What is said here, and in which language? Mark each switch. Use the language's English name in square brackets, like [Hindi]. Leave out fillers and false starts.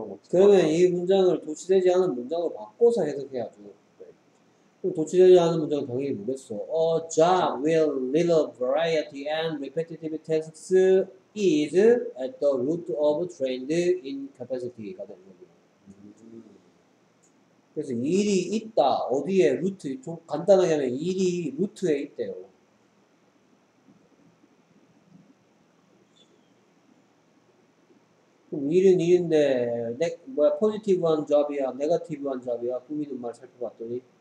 [Korean] 그러면 이 문장을 도치되지 않은 문장으로 바꿔서 해석해야죠. 그럼 도치되지 않은 문장은 당연히 뭐겠어? [English] A job with little variety and repetitive tasks is at the root of trained incapacity가 [Korean] 되는 겁니다. 그래서 일이 있다. 어디에 루트? 좀 간단하게 하면 일이 루트에 있대요. 일은 일인데 내 뭐야 포지티브한 잡이야 네거티브한 잡이야 꾸미는 말 살펴봤더니